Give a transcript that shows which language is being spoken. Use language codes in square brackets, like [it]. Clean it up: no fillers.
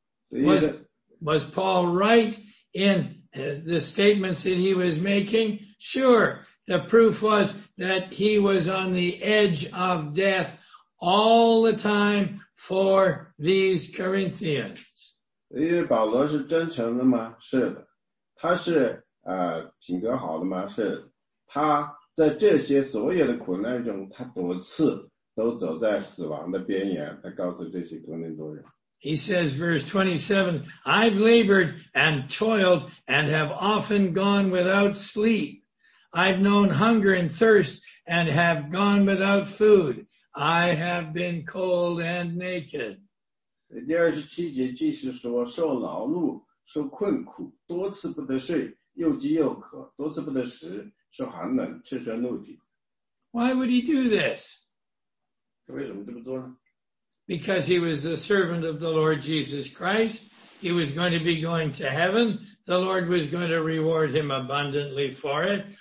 [en] Was Paul right in the statements that he was making? Sure. The proof was that he was on the edge of death all the time for these Corinthians. [zh] 保罗是真诚的吗？是的。他是品格好的吗？是的。他在这些所有的苦难中，他多次都走在死亡的边缘。他告诉这些哥林多人。 [en] He says, verse 27, I've labored and toiled and have often gone without sleep. I've known hunger and thirst and have gone without food. I have been cold and naked. [zh] 第27节, 即使说, 受劳碌, 受困苦, 多次不得睡, 又饥又渴, 多次不得食, 受寒冷, 赤身露体。 [en] Why would he do this? [zh] 为什么这么做呢? [en] Because he was a servant of the Lord Jesus Christ. He was going to be going to heaven. The Lord was going to reward him abundantly for it.